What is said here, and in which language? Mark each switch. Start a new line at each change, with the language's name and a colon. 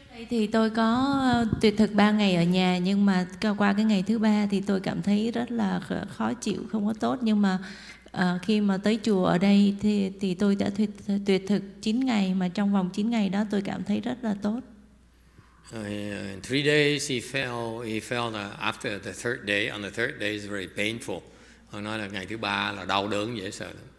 Vietnamese: Thì tôi có tuyệt thực 3 ngày ở nhà, nhưng mà qua cái ngày thứ 3 thì tôi cảm thấy rất là khó chịu, không có tốt. Nhưng mà khi mà tới chùa ở đây thì tôi đã tuyệt thực 9 ngày, mà trong vòng 9 ngày đó tôi cảm thấy rất là tốt.
English: In 3 days he felt after the third day, on the third day is very painful.
Vietnamese: Ông nói là ngày thứ 3 là đau đớn dễ sợ.